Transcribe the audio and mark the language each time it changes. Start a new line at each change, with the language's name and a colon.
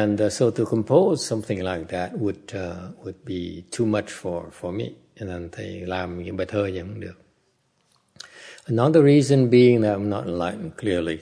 English: So to compose something like that would be too much for me. And then
Vietnamese: thầy làm những bài thơ gì cũng được.
English: Another reason being that I'm not enlightened, clearly.